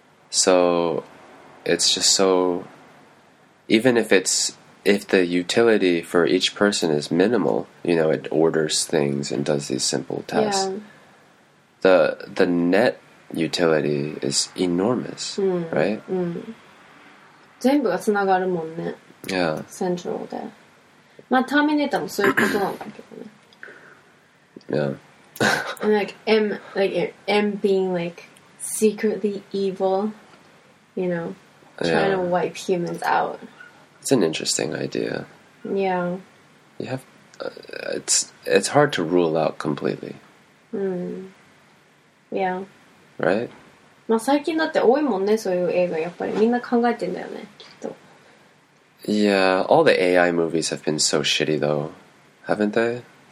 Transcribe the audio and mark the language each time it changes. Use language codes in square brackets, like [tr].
[en] So it's just so, even if the utility for each person is minimal, you know, it orders things and does these simple tasks, the net utility is enormous, right? Mm. [ja] 全部がつながるもんね。 [en] Yeah. [ja] セントラルで。まあ、ターミネーターもそういうことなんだけどね。 [en] Yeah. And like, M being like, secretly evil, you know, trying to wipe humans out. It's an interesting idea. Yeah. You have, it's hard to rule out completely. Yeah. Right? [ja] まあ、最近だって多いもんね、そういう映画やっぱりみんな考えてんだよね、きっと。 [en] Yeah, all the AI movies have been so shitty though, haven't they?